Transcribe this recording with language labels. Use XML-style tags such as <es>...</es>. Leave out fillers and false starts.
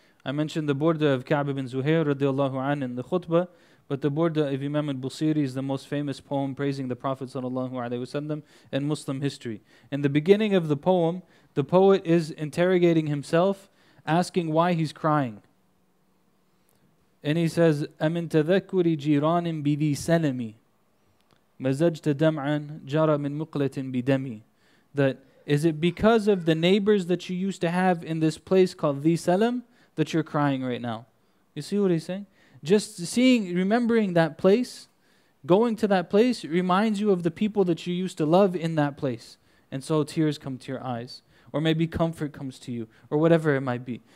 <en>I mentioned the Burda of Ka'b ibn Zuhair radiallahu anhu in the khutbah, but the Burda of Imam al-Busiri is the most famous poem praising the Prophet sallallahu alayhi wasallam in Muslim history. In the beginning of the poem, the poet is interrogating himself, asking why he's crying. And he says,</en> <ar>أَمِنْ تَذَكُّرِ جِيرَانٍ بِذِي سَلَمِي مَزَجْتَ دَمْعًا جَرَى مِنْ مُقْلَةٍ بِدَمِي.</ar> <en>That, is it because of the neighbors that you used to have in this place called Dhi Salam that you're crying right now? You see what he's saying? Just seeing, remembering that place, going to that place reminds you of the people that you used to love in that place. And so tears come to your eyes. Or maybe comfort comes to you, or whatever it might be.</en>